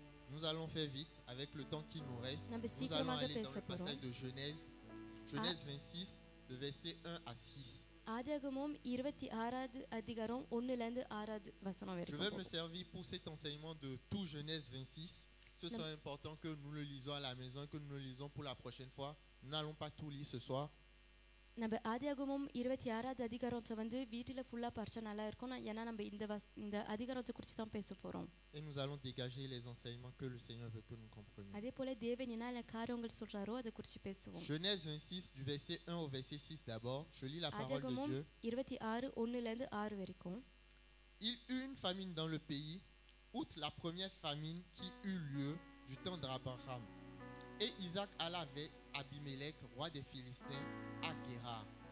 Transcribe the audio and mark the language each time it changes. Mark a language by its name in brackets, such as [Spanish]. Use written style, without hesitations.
[French] Nous allons faire vite avec le temps qui nous reste. Nous allons aller dans le passage de Genèse. Genèse 26, le verset 1 à 6. [Tamil] ஆதியாகமம் 26 அதிகாரம் 1 ல இருந்து 6 வசனம் வரைக்கும். [French] Je vais me servir pour cet enseignement de tout Genèse 26. Ce sera important que nous le lisons à la maison, que nous le lisons pour la prochaine fois. Nous n'allons pas tout lire ce soir. [Tamil] நம்ம ஆதியாகமம் 26 அதிகாரத்தை வந்து வீட்டில் ஃபுல்லாக படித்தா நல்லா இருக்கும் ஏன்னா நம்ம இந்த அதிகாரத்தை குறித்து தான் பேச போகிறோம். [French] Et nous allons dégager les enseignements que le Seigneur veut que nous comprenions. [Tamil] அதே போல தேவன் என்ன அந்த காரியங்கள் சொல்கிறாரோ அதை குறித்து பேசுவோம். [French] Genèse 26, du verset 1 au verset 6 d'abord, je lis la parole de Dieu. [Tamil] ஆதியாகமம் 26, 1-6 வரைக்கும். [French] Il eut une famine dans le pays, outre la première famine qui eut lieu du temps d'Abraham. Et Isaac alla vers Abimélec, roi des Philistins, à Guérar.